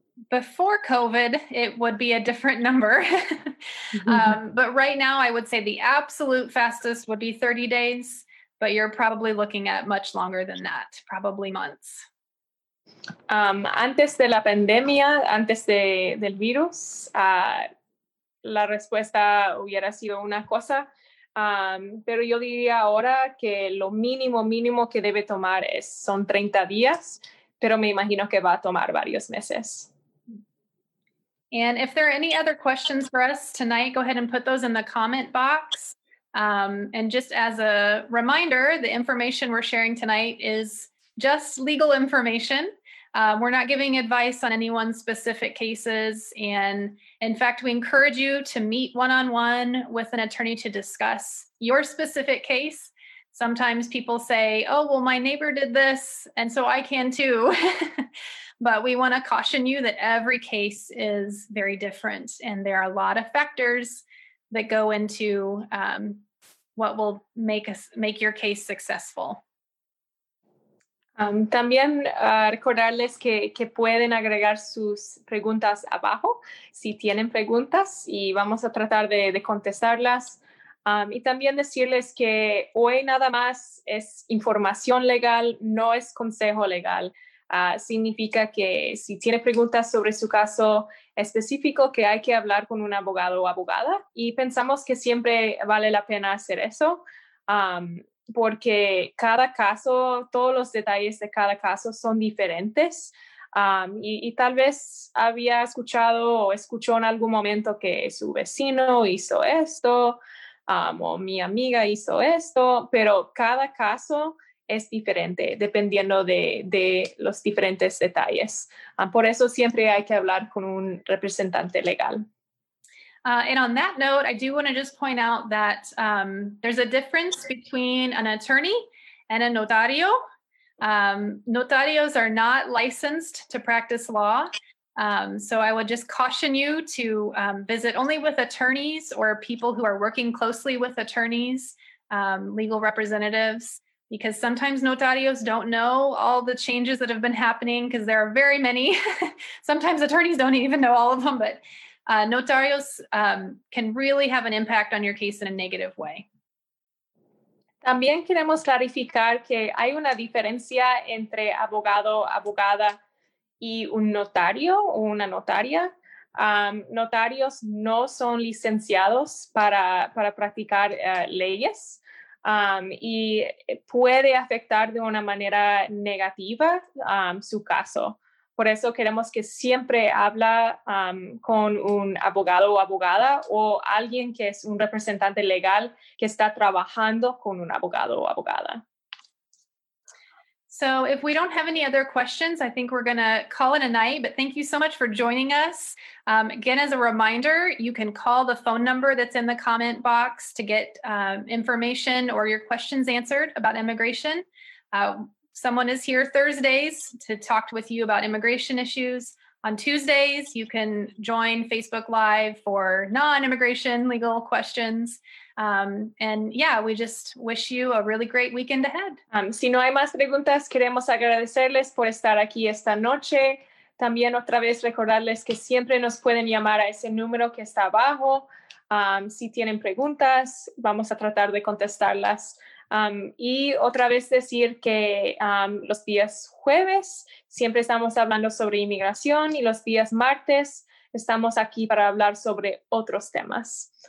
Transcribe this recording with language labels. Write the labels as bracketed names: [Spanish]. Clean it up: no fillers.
[English] Before COVID, it would be a different number. but right now, I would say the absolute fastest would be 30 days, but you're probably looking at much longer than that, probably months. [Spanish] Antes de la pandemia, antes del virus, la respuesta hubiera sido una cosa. Pero yo diría ahora que lo mínimo que debe tomar son 30 días, pero me imagino que va a tomar varios meses. [English] And if there are any other questions for us tonight, go ahead and put those in the comment box. And just as a reminder, the information we're sharing tonight is just legal information. We're not giving advice on anyone's specific cases. And in fact, we encourage you to meet one-on-one with an attorney to discuss your specific case. Sometimes people say, oh, well, my neighbor did this, and so I can too. But we want to caution you that every case is very different, and there are a lot of factors that go into what will make your case successful. [Spanish] También recordarles que pueden agregar sus preguntas abajo si tienen preguntas, y vamos a tratar de contestarlas. Y también decirles que hoy nada más es información legal, no es consejo legal. Significa que si tiene preguntas sobre su caso específico, que hay que hablar con un abogado o abogada. Y pensamos que siempre vale la pena hacer eso. porque cada caso, todos los detalles de cada caso son diferentes. Y tal vez había escuchado o escuchó en algún momento que su vecino hizo esto, o mi amiga hizo esto, pero cada caso es diferente dependiendo de los diferentes detalles. Por eso siempre hay que hablar con un representante legal. [English] And on that note, I do want to just point out that there's a difference between an attorney and a notario. Notarios are not licensed to practice law. So I would just caution you to visit only with attorneys or people who are working closely with attorneys, legal representatives, because sometimes notarios don't know all the changes that have been happening because there are very many. Sometimes attorneys don't even know all of them, but notarios can really have an impact on your case in a negative way. [Spanish] También queremos clarificar que hay una diferencia entre abogado, abogada y un notario o una notaria. Notarios no son licenciados para practicar leyes y puede afectar de una manera negativa su caso. Por eso queremos que siempre habla con un abogado o abogada o alguien que es un representante legal que está trabajando con un abogado o abogada. [English] So if we don't have any other questions, I think we're going to call it a night. But thank you so much for joining us. Again, as a reminder, you can call the phone number that's in the comment box to get information or your questions answered about immigration. Someone is here Thursdays to talk with you about immigration issues. On Tuesdays, you can join Facebook Live for non-immigration legal questions. We just wish you a really great weekend ahead. [Spanish] Si no hay más preguntas, queremos agradecerles por estar aquí esta noche. También otra vez recordarles que siempre nos pueden llamar a ese número que está abajo. Si tienen preguntas, vamos a tratar de contestarlas. Y otra vez decir que los días jueves siempre estamos hablando sobre inmigración y los días martes estamos aquí para hablar sobre otros temas.